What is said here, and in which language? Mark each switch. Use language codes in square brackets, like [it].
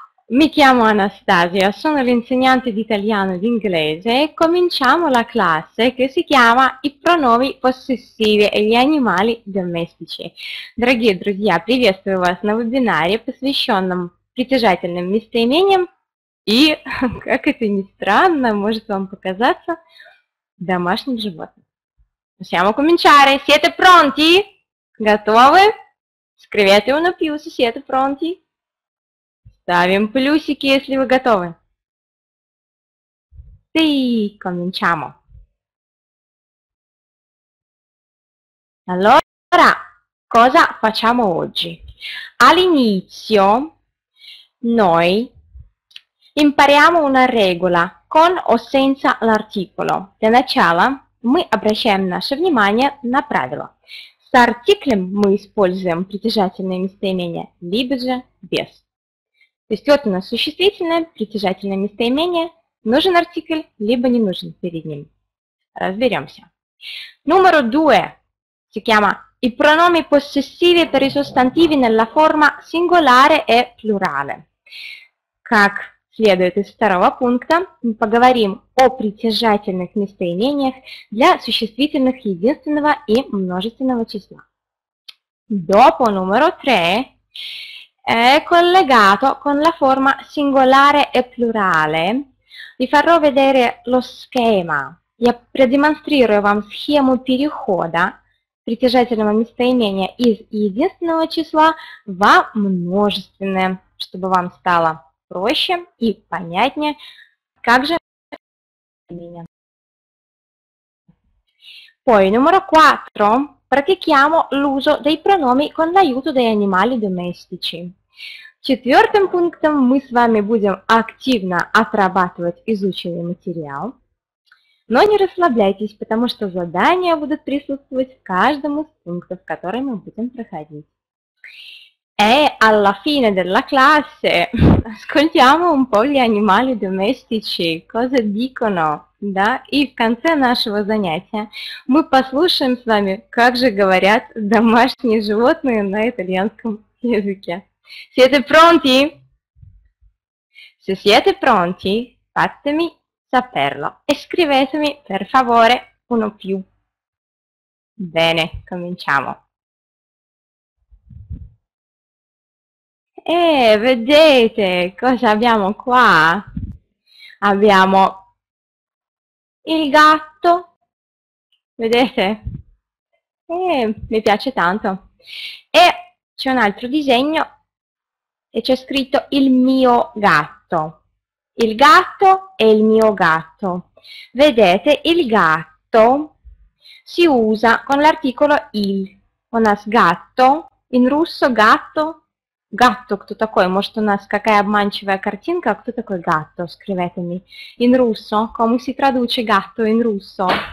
[it] Mi chiamo Anastasia, sono l'insegnante di italiano e di inglese e cominciamo la classe che si chiama I pronomi possessivi e gli animali domestici. [ru] Дорогие друзья, приветствую вас на вебинаре, посвященном притяжательным местоимениям. И, как это ни странно, может вам показаться домашним животным. [it] Possiamo cominciare. Siete pronti? [ru] Готовы? [it] Scrivete una più se siete pronti. [ru] Ставим плюсики, если вы готовы. [it] Sì, cominciamo. Allora, cosa facciamo oggi? All'inizio, noi Impariamo una regola con o senza l'articolo. [ru] Для начала мы обращаем наше внимание на правило. С артиклем мы используем притяжательное местоимение либо же без. То есть вот у нас существительное, притяжательное местоимение. Нужен артикль, либо не нужен перед ним. Разберемся. [it] Numero due si chiama i pronomi possessivi per i sostantivi nella forma singolare e plurale. [ru] Как следует из второго пункта, мы поговорим о притяжательных местоимениях для существительных единственного и множественного числа. [it] Dopo numero 3 è collegato con la forma singolare e plurale. Vi farò vedere lo schema. [ru] Я продемонстрирую вам схему перехода притяжательного местоимения из единственного числа во множественное, чтобы вам стало проще и понятнее, как же меня. [it] Poi, numero 4, практикiamo l'uso dei pronomi con l'aiuto degli animali domestici. [ru] Четвертым пунктом мы с вами будем активно отрабатывать изученный материал. Но не расслабляйтесь, потому что задания будут присутствовать в каждом из пунктов, которые мы будем проходить. [it] E alla fine della classe ascoltiamo un po' gli animali domestici, cosa dicono, да? [ru] И в конце нашего занятия мы послушаем с вами, как же говорят домашние животные на итальянском языке. [it] Siete pronti? Se siete pronti, fatemi saperlo e scrivetemi per favore uno più. Bene, cominciamo. E vedete cosa abbiamo qua? Abbiamo il gatto, vedete? Mi piace tanto. E c'è un altro disegno e c'è scritto il mio gatto. Il gatto è il mio gatto. Vedete, il gatto si usa con l'articolo il. [ru] У нас [it] gatto, in russo gatto. [ru] Gatto, кто такой? Может, у нас какая обманчивая картинка? Кто такой gatto? [it] Scrivetemi. In russo? Come si traduce gatto in russo?